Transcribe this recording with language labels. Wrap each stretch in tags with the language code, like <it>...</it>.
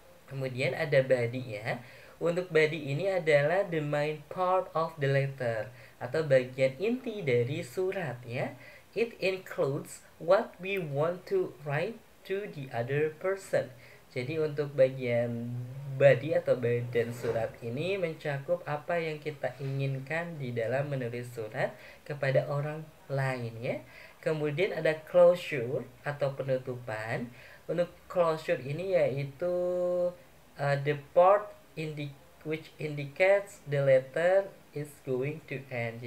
<id>Kemudian ada body ya. Untuk body ini adalah</id> <en>the main part of the letter</en> <id>atau bagian inti dari surat ya.</id> <en>It includes what we want to write to the other person.</en> <id>Jadi untuk bagian body atau badan surat ini mencakup apa yang kita inginkan di dalam menulis surat kepada orang lain ya. Kemudian ada closure atau penutupan. Untuk closure ini yaitu</id> <en>the part which indicates the letter is going to end.</en>